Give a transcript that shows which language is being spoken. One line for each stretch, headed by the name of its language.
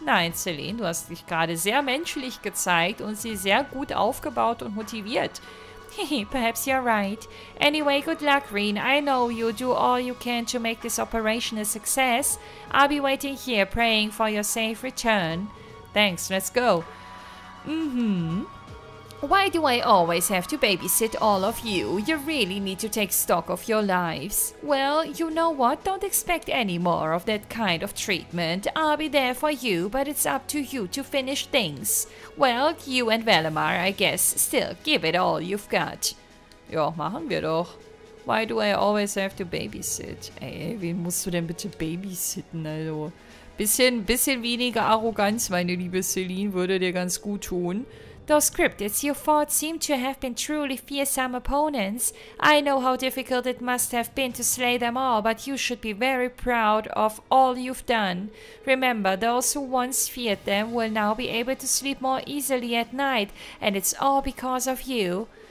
German: Nein, Celine, du hast dich gerade sehr menschlich gezeigt und sie sehr gut aufgebaut und motiviert.
English: Perhaps you're right. Anyway, good luck, Reen. I know you'll do all you can to make this operation a success. I'll be waiting here, praying for your safe return. Thanks, let's go. Why do I always have to babysit all of you? You really need to take stock of your lives. Well, you know what? Don't expect any more of that kind of treatment. I'll be there for you, but it's up to you to finish things. Well, you and Valimar, I guess. Still, give it all you've got.
German: Ja, machen wir doch.
English: Why do I always have to babysit?
German: Ey, wen musst du denn bitte babysitten, also? Bisschen weniger Arroganz, meine liebe Celine, würde dir ganz gut tun.
English: Those cryptids you fought seem to have been truly fearsome opponents. I know how difficult it must have been to slay them all, but you should be very proud of all you've done. Remember, those who once feared them will now be able to sleep more easily at night, and it's all because of you.